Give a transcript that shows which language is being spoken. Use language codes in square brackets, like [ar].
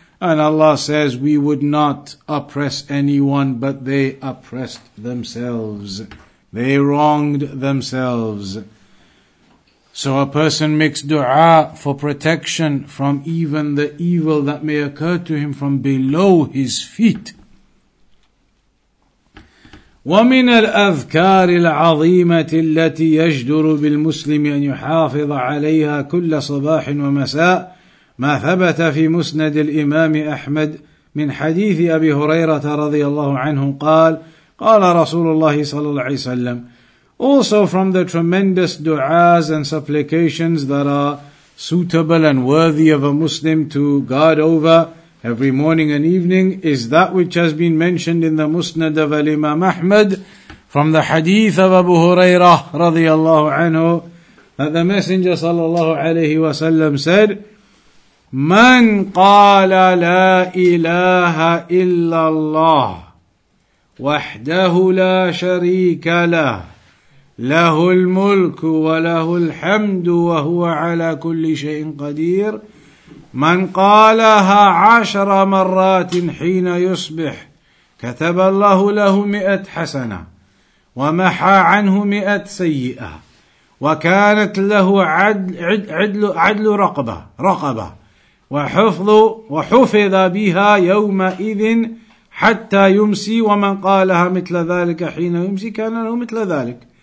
[en] And Allah says, we would not oppress anyone, but they oppressed themselves. They wronged themselves. So a person makes dua for protection from even the evil that may occur to him from below his feet. [ar] ومن الأذكار العظيمة التي يجدر بالمسلم أن يحافظ عليها كل صباح ومساء ما ثبت في مسند الإمام أحمد من حديث أبي هريرة رضي الله عنه قال قال رسول الله صلى الله عليه وسلم. [en] Also from the tremendous du'as and supplications that are suitable and worthy of a Muslim to guard over every morning and evening is that which has been mentioned in the Musnad of Al-Imam Ahmad from the hadith of Abu Hurairah radiyallahu anhu, that the Messenger sallallahu alayhi wa sallam said, [ar] Man qala la ilaha illa Allah wahdahu la sharika lah lahul mulku wa lahul hamdu wa huwa ala kulli shay'in qadir. من قالها عشر مرات حين يصبح كتب الله له مئة حسنة ومحى عنه مئة سيئة وكانت له عدل رقبة وحفظ بها يومئذ حتى يمسي ومن قالها مثل ذلك حين يمسي كان له مثل ذلك.